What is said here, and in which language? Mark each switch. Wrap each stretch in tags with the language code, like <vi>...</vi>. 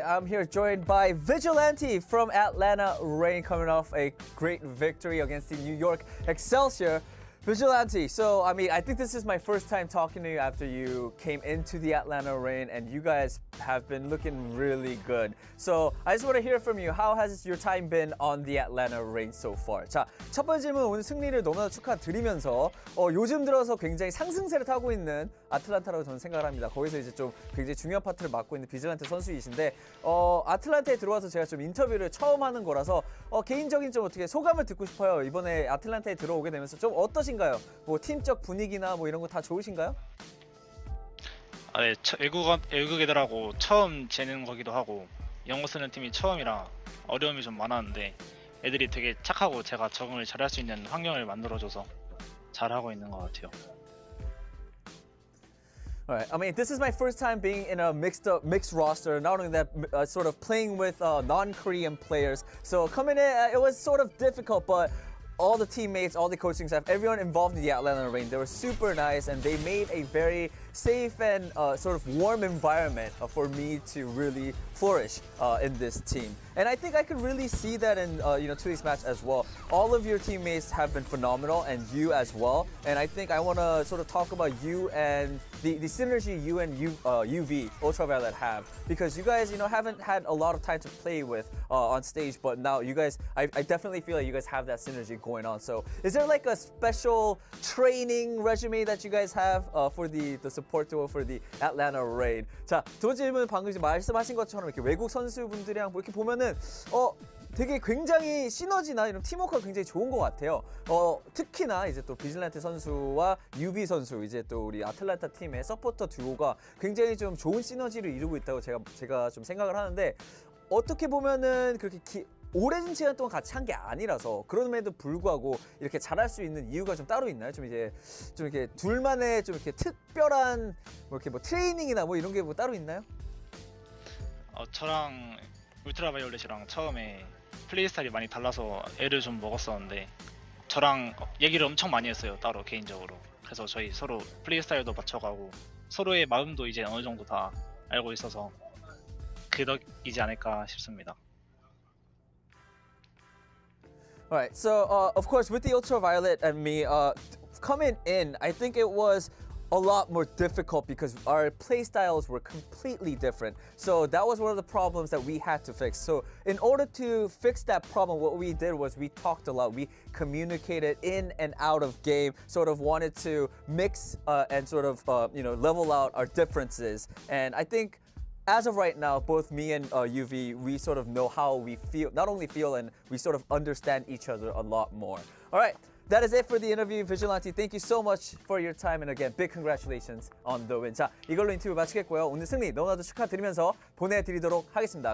<en>I'm here joined by Vigilante from Atlanta Reign, coming off a great victory against the New York Excelsior. Vigilante, so I mean, I think this is my first time talking to you after you came into the Atlanta Reign, and you guys have been looking really good. So I just want to hear from you. How has your time been on the Atlanta Reign so far?</en> <ko>자, 첫 번째 질문, 오늘 승리를 너무나 축하드리면서 요즘 들어서 굉장히 상승세를 타고 있는 아틀란타라고 저는 생각합니다. 거기서 이제 좀 굉장히 중요한 파트를 맡고 있는 비질란테 선수이신데 아틀란타에 들어와서 제가 좀 인터뷰를 처음 하는 거라서 개인적인 좀 어떻게 소감을 듣고 싶어요. 이번에 아틀란타에 들어오게 되면서 좀 어떠신가요? 뭐 팀적 분위기나 뭐 이런 거 다 좋으신가요? 아, 네. 애국애들하고 처음 재는 거기도 하고 영어 쓰는 팀이 처음이라 어려움이 좀 많았는데 애들이 되게 착하고 제가 적응을 잘할 수 있는 환경을 만들어줘서 잘하고 있는 것 같아요.</ko> <en>Alright, I mean, this is my first time being in a mixed roster, not only that, sort of playing with non-Korean players. So coming in, it was sort of difficult, but all the teammates, all the coaching staff, everyone involved in the Atlanta Reign, they were super nice, and they made a very safe and sort of warm environment for me to really flourish in this team. And I think I could really see that in today's match as well. All of your teammates have been phenomenal, and you as well. And I think I want to sort of talk about you and the synergy you and UV, Ultraviolet, have. Because you guys, you know, haven't had a lot of time to play with on stage, but now you guys, I definitely feel like you guys have that synergy going on. So is there like a special training regime that you guys have for the support tool for the Atlanta Reign?</en> <ko>자, 두 번째 질문은 방금 말씀하신 것처럼 이렇게 외국 선수분들이랑 이렇게 보면은 되게 굉장히 시너지나 이런 팀워크가 굉장히 좋은 것 같아요. 특히나 이제 또 비질란테 선수와 유비 선수, 이제 또 우리 아틀란타 팀의 서포터 듀오가 굉장히 좀 좋은 시너지를 이루고 있다고 제가 좀 생각을 하는데, 어떻게 보면은 그렇게 오래진 시간 동안 같이 한 게 아니라서 그럼에도 불구하고 이렇게 잘할 수 있는 이유가 좀 따로 있나요? 좀 이제 좀 이렇게 둘만의 좀 이렇게 특별한 뭐 이렇게 뭐 트레이닝이나 뭐 이런 게 뭐 따로 있나요? 저랑 울트라바이올렛이랑 처음에 플레이 스타일이 많이 달라서 애를 좀 먹었었는데 저랑 얘기를 엄청 많이 했어요, 따로 개인적으로. 그래서 저희 서로 플레이 스타일도 맞춰가고 서로의 마음도 이제 어느 정도 다 알고 있어서 그 덕이지 않을까 싶습니다.</ko> <en>Alright, so of course with the Ultraviolet and me coming in, I think it was a lot more difficult because our play styles were completely different. So that was one of the problems that we had to fix. So in order to fix that problem, what we did was we talked a lot. We communicated in and out of game, sort of wanted to mix and sort of level out our differences. And I think as of right now, both me and UV, we sort of know how we feel, not only feel, and we sort of understand each other a lot more. All right, that is it for the interview. Vigilante, thank you so much for your time. And again, big congratulations on the win.</en> <ko>자, 이걸로 인터뷰 마치겠고요. 오늘 승리 너무나도 축하드리면서 보내드리도록 하겠습니다.</ko>